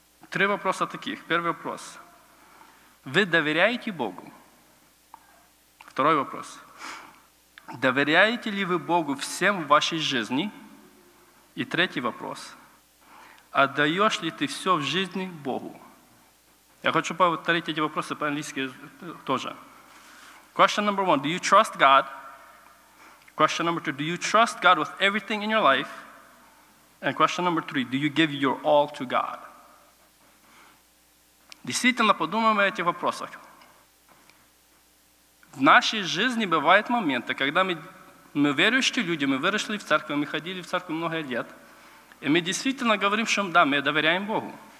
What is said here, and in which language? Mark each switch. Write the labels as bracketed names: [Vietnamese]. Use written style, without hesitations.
[Russian] Три вопроса таких. Первый вопрос. Вы доверяете Богу? Второй вопрос. Доверяете ли вы Богу всем в вашей жизни? И третий вопрос. Отдаешь ли ты все в жизни Богу? Я хочу повторить эти вопросы по-английски тоже. [English] Question number one. Do you trust God? Question number two. Do you trust God with everything in your life? And question number three. Do you give your all to God? [Russian] Действительно, подумаем о этих вопросах. В нашей жизни бывают моменты, когда мы верующие люди, мы выросли в церкви, мы ходили в церковь много лет, и мы действительно говорим, что да, мы доверяем Богу.